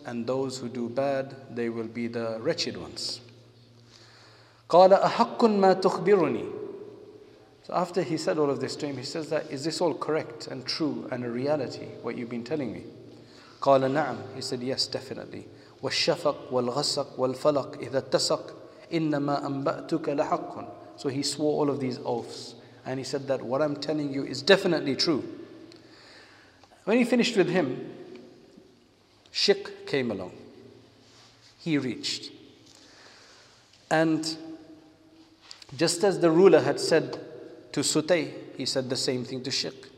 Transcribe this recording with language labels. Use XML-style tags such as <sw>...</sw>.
<en>And those who do bad, they will be the wretched ones.</en> <ar>قَالَ أَحَقٌ مَا تُخْبِرُنِي</ar> <en>So after he said all of this to him, he says that, is this all correct and true and a reality, what you've been telling me?</en> <ar>قَالَ نَعَمْ</ar> <en>He said, yes, definitely.</en> <ar>وَالشَّفَقْ وَالْغَسَقْ وَالْفَلَقْ إِذَا اتَّسَقْ إِنَّمَا أَنْبَأْتُكَ لَحَقٌ</ar> <en>So he swore all of these oaths. And he said that what I'm telling you is definitely true. When he finished with him, Shiq came along. He reached. And just as the ruler had said to Sutay, he said the same thing to Shiq.</en>